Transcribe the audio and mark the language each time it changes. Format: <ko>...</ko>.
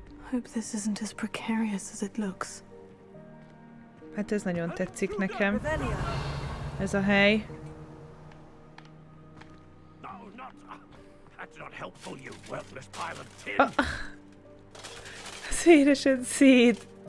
<en>Hope this isn't as precarious as it looks.</en> <hu>Hát ez nagyon tetszik nekem. Ez a hely.</hu> <en>No, not, that's not helpful, you worthless pile of tin.</en> <hu>Szélesen szét.</hu>